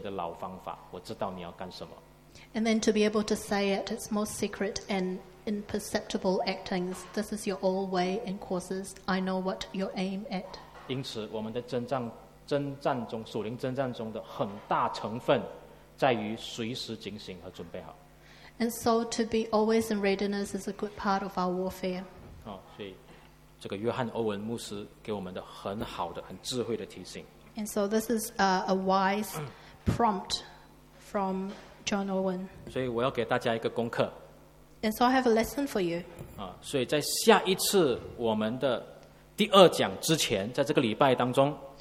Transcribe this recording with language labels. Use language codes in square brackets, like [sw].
[zh] 然后呢，你能够指着这个罪性最隐秘和细微的行动说，这是你的老方法，我知道你要干什么。 [en] And then to be able to say at its most secret and imperceptible actings, this is your old way and courses, I know what your aim at. [zh] 因此我们的征战中属灵征战中的很大成分在于随时警醒和准备好。 [en] And so to be always in readiness is a good part of our warfare. [zh] 所以这个约翰欧文牧师给我们的很好的很智慧的提醒。 [en] And so this is a wise prompt from John Owen. [zh] 所以我要给大家一个功课。 [en] And so I have a lesson for you. [zh] 所以在下一次我们的第二讲之前，在这个礼拜当中，